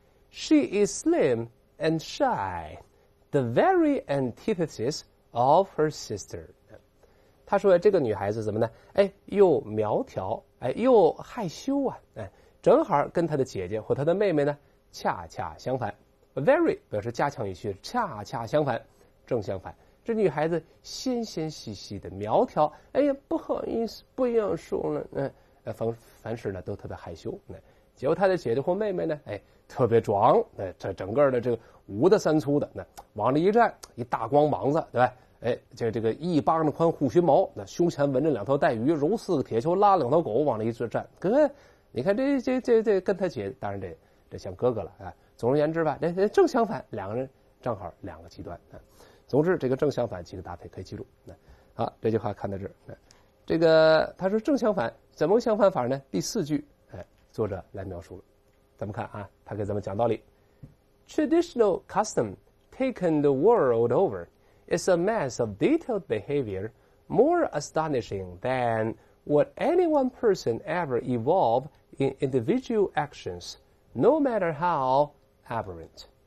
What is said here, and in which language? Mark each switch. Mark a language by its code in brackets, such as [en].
[en] She is slim and shy, the very antithesis of her sister。 [zh] 他说这个女孩子怎么呢？哎，又苗条，哎，又害羞啊，哎，正好跟她的姐姐或她的妹妹呢，恰恰相反。 Very 表示加强语气，恰恰相反。正相反，这女孩子纤纤细细的苗条，哎呀不好意思不要说了，凡事呢都特别害羞，结果她的姐姐或妹妹呢，哎，特别壮，这整个的这个五的三粗的，那往这一站一大光膀子，对吧，哎，这个一巴掌宽护心毛，那胸前纹着两条带鱼，揉四个铁球拉两条狗，往这一站，哥你看这跟她姐当然这像哥哥了啊。总而言之吧，这正相反，两个人正好两个极端啊。总之这个正相反几个搭配可以记住。好，这句话看到这儿。这个他说正相反，怎么相反法呢？第四句，哎，作者来描述了。咱们看啊，他给咱们讲道理。 [en] Traditional custom taken the world over is a mass of detailed behavior more astonishing than what any one person ever evolved in individual actions, no matter how aberrant。